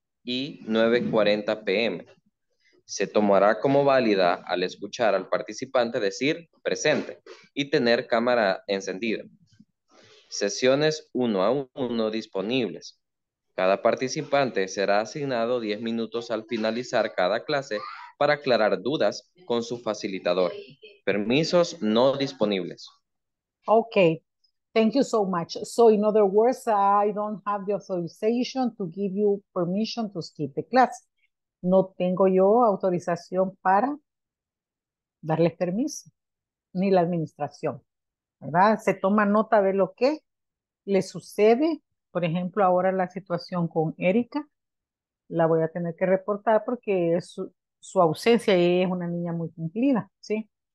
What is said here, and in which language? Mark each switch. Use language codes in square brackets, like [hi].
[es] y 9:40 p.m. Se tomará como válida al escuchar al participante decir presente y tener cámara encendida. Sesiones uno a uno disponibles. Cada participante será asignado 10 minutos al finalizar cada clase para aclarar dudas con su facilitador. Permisos no disponibles. [en] Okay, thank you so much. So in other words, I don't have the authorization to give you permission to skip the class. [es] No tengo yo autorización para darles permiso, ni la administración, ¿verdad? Se toma nota de lo que le sucede. Por ejemplo, ahora la situación con Erika, la voy a tener que reportar porque es su ausencia y es una niña muy cumplida, ¿sí?